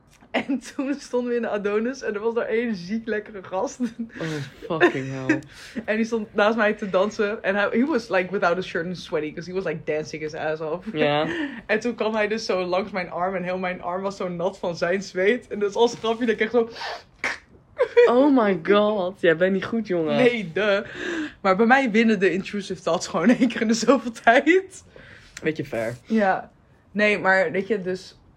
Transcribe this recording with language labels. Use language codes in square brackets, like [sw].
[nl] En toen stonden we in de Adonis en er was daar één ziek lekkere gast. [en] Oh, fucking hell. [nl] En die stond naast mij te dansen. [en] En he was like without a shirt and sweaty, because he was like dancing his ass off. [nl] Ja. Yeah. En toen kwam hij dus zo langs mijn arm en heel mijn arm was zo nat van zijn zweet. En dus als grapje, dan kreeg ik zo... [en] Oh my god, [nl] jij bent niet goed, jongen. Nee, duh. Maar bij mij winnen de intrusive thoughts gewoon één keer in de zoveel tijd. Beetje fair. Ja. Nee, maar weet je, dus...